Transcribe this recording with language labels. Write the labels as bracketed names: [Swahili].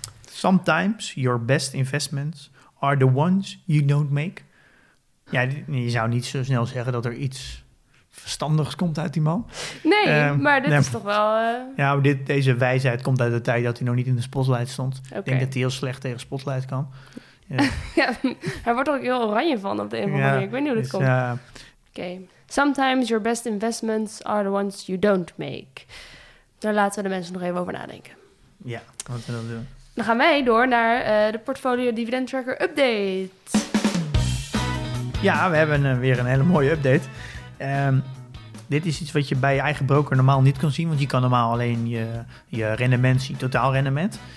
[English] Sometimes your best investments are the ones you don't make. [Dutch] Ja, je zou niet zo snel zeggen dat er iets verstandigs komt uit die man. Nee, maar dit is toch wel. Ja, deze wijsheid komt uit de tijd dat hij nog niet in de spotlight stond. Okay. Ik denk dat hij heel slecht tegen spotlight kan. Ja, hij wordt er ook heel oranje van op de een of andere manier. Ik weet niet hoe dat komt. Okay. [English] Sometimes your best investments are the ones you don't make. [Dutch] Daar laten we de mensen nog even over nadenken. Ja, wat we dan doen. Dan gaan wij door naar de Portfolio Dividend Tracker Update. Ja, we hebben weer een hele mooie update. Dit is iets wat je bij je eigen broker normaal niet kan zien. Want je kan normaal alleen je rendement zien, totaal rendement.